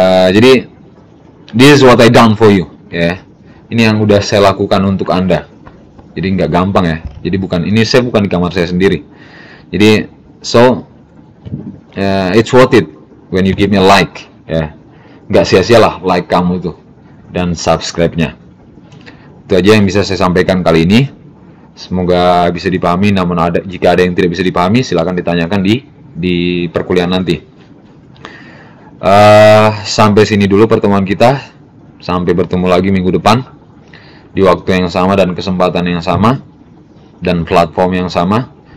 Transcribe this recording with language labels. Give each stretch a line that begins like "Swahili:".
Indonesian: Jadi
English: this is what I done for you, ya. Yeah.
Indonesian: Ini yang udah saya lakukan untuk Anda. Jadi nggak gampang ya. Jadi bukan ini saya bukan di kamar saya sendiri.
English: Jadi so it's worth it when you give me a like, ya. Yeah.
Indonesian: Nggak sia-sialah like kamu tuh dan subscribe-nya. Itu aja yang bisa saya sampaikan kali ini. Semoga bisa dipahami. Namun ada jika ada yang tidak bisa dipahami, silakan ditanyakan di perkuliahan nanti. Sampai sini dulu pertemuan kita. Sampai bertemu lagi minggu depan di waktu yang sama dan kesempatan yang sama dan platform yang sama.